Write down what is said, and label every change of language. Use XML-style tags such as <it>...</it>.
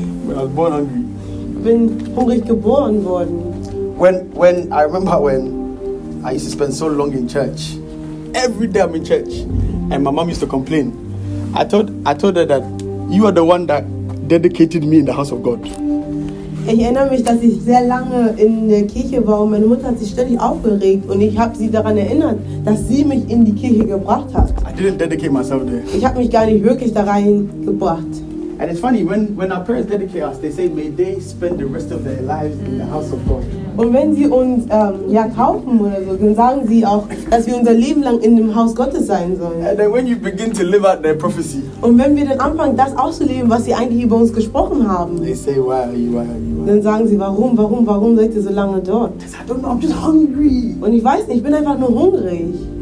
<en>I was born hungry.</en> <de>Bin hungrig geboren worden.</de> <en>When I remember I used to spend so long in church. Every day I'm in church. And my mom used to complain. I told her that you are the one that dedicated me in the house of God.</en> <de>Ich erinnere mich, dass ich sehr lange in der Kirche war und meine Mutter hat sich ständig aufgeregt und ich habe sie daran erinnert, dass sie mich in die Kirche gebracht hat.</de> <en>I didn't dedicate myself there.</en> <de>Ich habe mich gar nicht wirklich da rein gebracht.</de> <en>And it's funny, when our parents dedicate us, they say, may they spend the rest of their lives in the house of God.</en> <de>Und wenn sie uns kaufen oder so, dann sagen sie auch, dass wir unser Leben lang in dem Haus Gottes sein sollen.</de> <en>And then when you begin to live out their prophecy,</en> <de>und wenn wir dann anfangen, das auszuleben, was sie eigentlich über uns gesprochen haben,</de> <en>they say, why are you?</en> <de>Dann sagen sie, warum seid ihr so lange dort?</de> <en>I don't know, I'm just hungry.</en> <de>Und ich weiß nicht, ich bin einfach nur hungrig.</de>